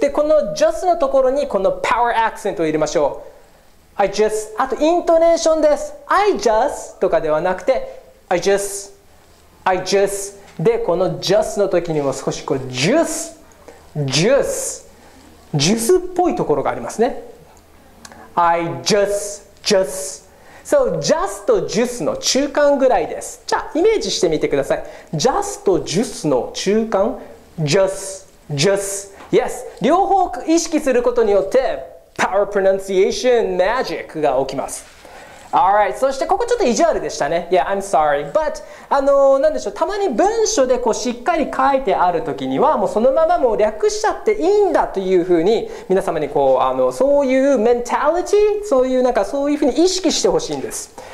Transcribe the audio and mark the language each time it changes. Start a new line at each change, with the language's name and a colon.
Japanese: で、この just のところに、この power accent を入れましょう。はい、just。あと、イントネーションです。 I just とかではなくて、I just。
English: I just。
Japanese: で、この just の時にも少しこう、juice っぽいところがありますね。
English: I just. So,
Japanese: just と juice の中間ぐらいです。じゃあ、イメージしてみてください。 just と juice の中間、
English: just.Yes.
Japanese: 両方意識することによって、power pronunciation magic が起きます。
English: Alright.
Japanese: そして、ここちょっと意地悪でしたね。
English: Yeah, I'm sorry. But,
Japanese: なんでしょう。たまに文章でこうしっかり書いてあるときには、もうそのままもう略しちゃっていいんだというふうに、皆様にこう、そういうメンタリティ、そういうなんかそういうふうに意識してほしいんです。